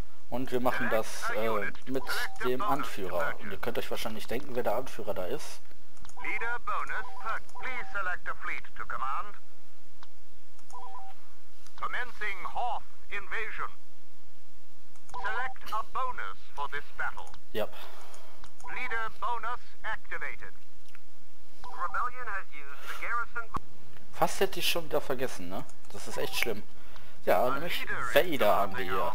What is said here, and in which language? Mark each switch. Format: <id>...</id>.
<de>Und wir machen das mit dem Anführer. Und ihr könnt euch wahrscheinlich denken, wer der Anführer da ist.</de> <en>Leader Bonus, please select a fleet to command. Commencing Hoth invasion. Select a bonus for this battle. Yep. Leader Bonus activated. Rebellion has used the garrison.</en> <de>Fast hätte ich schon wieder vergessen, ne? Das ist echt schlimm. Ja, nämlich Vader haben wir hier.</de>